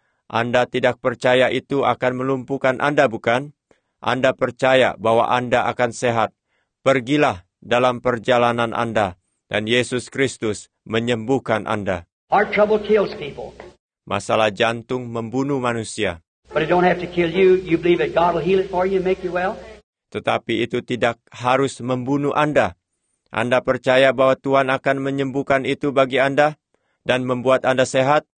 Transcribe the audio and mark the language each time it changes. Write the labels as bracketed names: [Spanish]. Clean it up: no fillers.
[Indonesian] Anda tidak percaya itu akan melumpuhkan Anda, bukan? Anda percaya bahwa Anda akan sehat. Pergilah dalam perjalanan Anda, dan Yesus Kristus menyembuhkan Anda. [English] Heart trouble kills people. [Indonesian] Masalah jantung membunuh manusia. [English] But it don't have to kill you. You believe that God will heal it for you and make you well? [Indonesian] Tetapi itu tidak harus membunuh Anda. Anda percaya bahwa Tuhan akan menyembuhkan itu bagi Anda dan membuat Anda sehat?